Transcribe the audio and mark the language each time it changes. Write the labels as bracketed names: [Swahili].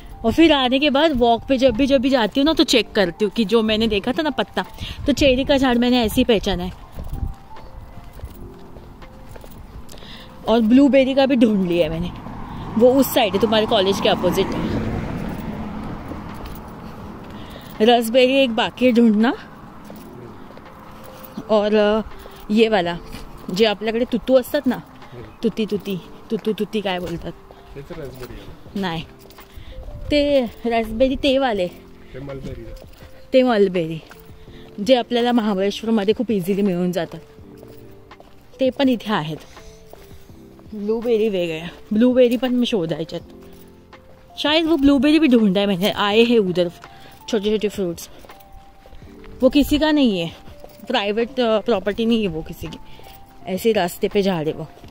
[Hindi] और फिर आने के बाद वॉक पे जब भी जाती हूँ ना तो चेक करती हूँ कि जो मैंने देखा था ना पत्ता, तो चेरी का झाड़ मैंने ऐसे ही पहचाना है। और ब्लूबेरी का भी ढूंढ लिया है मैंने, वो उस साइड है तुम्हारे कॉलेज के अपोजिट। रसबेरी एक बाकी है ढूंढना, और ये वाला [Marathi] जे आपल्याकडे तुतू असतात ना, तुती तुती तुतू तुती काय बोलतात, नाही ते रसबेरी ते वाले ते मलबेरी जे आपल्याला महाबळेश्वर मध्ये खूप इझिली मिळून जातात ते पण इथे आहेत। ब्लूबेरी वेगळे, ब्लूबेरी पण मी शोधायच्यात, [Hindi] शायद वो ब्लूबेरी भी ढूंढाय मैंने, आए है उधर छोटे छोटे फ्रूट्स, वो किसी का नहीं है, प्राइवेट प्रॉपर्टी नहीं है वो किसी की, ऐसे रास्ते पे जा रहे वो।